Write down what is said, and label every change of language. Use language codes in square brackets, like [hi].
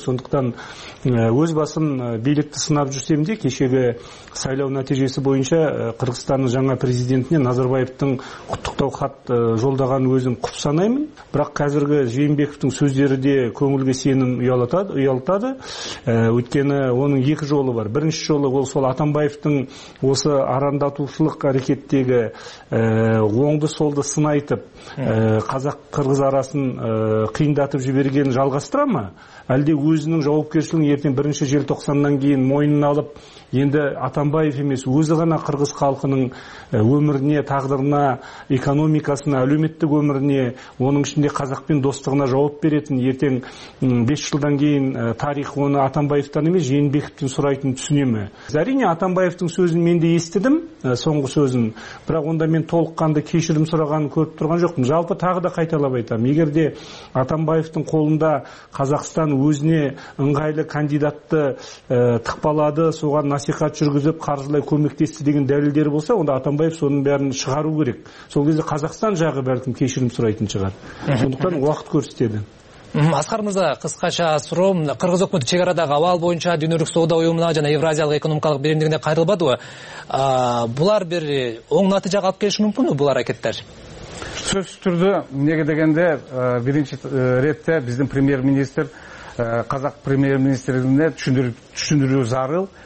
[ky] Сондуктан өз басым бийликти сынап жүрсөм да, кечээки шайлоо натыйжеси боюнча Кыргызстандын жаңы президентине Назарбаевдин куттуктоо хат жолдоганын өзүм куп санаймын. Бирок азыркы Жээнбековдун сөздөрү де көңүлгө сенин уялтады. [kk] Өткені оның екі жолы бар. Бірінші жолы ол сол Атамбаевтың осы арандатушылық әрекеттегі оңды солды сынайтып қазақ-қырғыз арасын қиындатып жіберген жалғастыра ма? Әлде өзінің жауапкершілігін ертең 1-ші желтоқсаннан кейін мойнына алып, енді Атамбаев емес, өзі ғана қырғыз халқының өміріне, тағдырына, экономикасына, әлеуметтік өміріне, оның ішінде қазақпен достығына жауап беретін ертең 5 жылдан кейін тарих оны Атамбаевтан емес, Жээнбековтен сұрайтынын түсіне ме? Әрине, Атамбаевтың сөзін мен де естідім, соңғы сөзін, бірақ онда мен толыққанды кешірім сұрағанын көріп тұрған жоқпын. Жалпы тағы да қайталап айтамын, егер де Атамбаевтың қолында Қазақстан өзіне ыңғайлы кандидатты тықпалады, соған насихат жүргізіп, қаржылай көмектесті деген дәлелдері болса, онда Атамбаев соның бәрін шығару керек. Сол кезде Қазақстан жағы бәлкім кешірім сұрайтын шығар. Сондықтан уақыт көрсетеді. [ky] Аскар мырза, кыскача суроом, кыргыз өкмөтү чек арадагы абал боюнча дүйнөлүк соода уюмуна жана Евразиялык экономикалык биримдигине кайрылбадыбы? Булар бир оң натыйжага алып келиши мүмкүнбү бул аракеттер? Сөзсүз түрдө, эмнеге дегенде биринчи ретте биздин премьер министр казак премьер министрине түшүндүрүү зарыл.